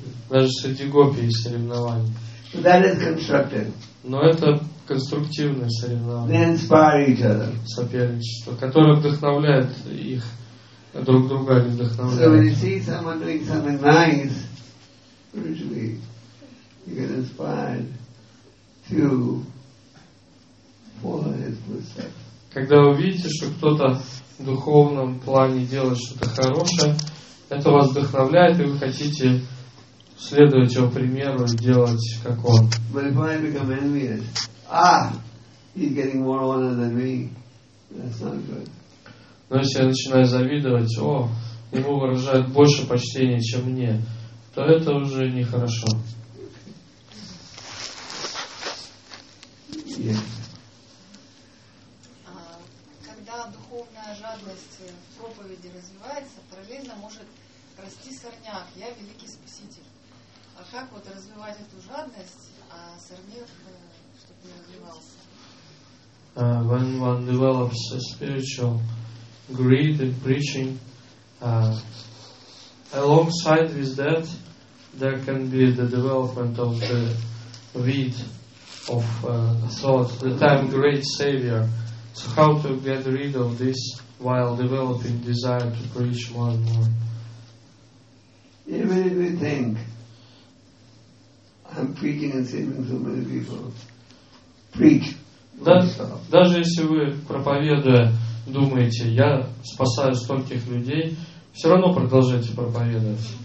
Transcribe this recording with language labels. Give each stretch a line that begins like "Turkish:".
Russian: Даже среди гопи есть соревнования.
English: That is constructive.
Russian: Но это конструктивное соревнование.
English: They inspire each other.
Russian: Соперничество, которое вдохновляет их друг друга, они вдохновляют.
English: So when you see someone doing something nice, usually you get inspired to follow his footsteps.
Russian: Когда вы видите, что кто-то в духовном плане делает что-то хорошее, это вас вдохновляет, и вы хотите следовать его примеру и делать, как он.
English: But if I become envious, he's getting more honor than me. That's not good.
Russian: Но если я начинаю завидовать, ему выражают больше почтения, чем мне, то это уже нехорошо. Когда духовная жадность в проповеди развивается, параллельно может расти сорняк. Я великий спаситель. А как вот развивать эту жадность, а сорняк, чтобы не развивался?
English: When one develops a spiritual greed in preaching, alongside with that, there can be the development of the weed of thought, that I'm great savior. So how to get rid of this while developing desire to preach more and more? Even if we think I'm preaching and saving so many people, preach.
Russian: Даже если вы, проповедуя, думаете, я спасаю стольких людей, все равно продолжайте проповедовать.